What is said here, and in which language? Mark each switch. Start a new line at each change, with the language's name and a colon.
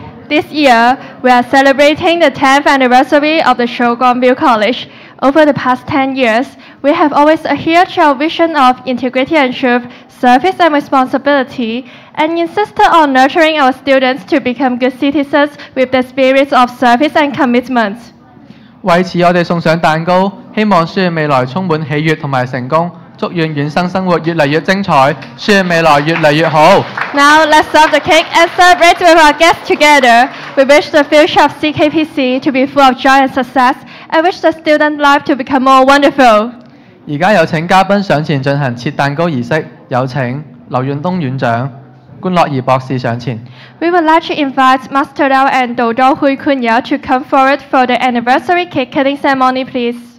English: This year, we are celebrating the 10th anniversary of the Chow Kong Biu College. Over the past 10 years, we have always adhered to our vision of integrity and truth, service and responsibility, and insisted on nurturing our students to become good citizens with the spirit of service and commitment.
Chinese: 为此，我们送上蛋糕，希望书院未来充满喜悦和成功，祝愿院生生活越来越精彩，书院未来越来越好。
English: Now let's serve the cake and celebrate with our guests together. We wish the future of CKPC to be full of joy and success, and wish the student life to become more wonderful.
Chinese: 现在有请嘉宾上前进行切蛋糕仪式，有请刘远东院长、关乐仪博士上前。
English: We would like to invite Master Lau and Dou Dou Hui Kun Yao to come forward for the anniversary cake cutting ceremony, please.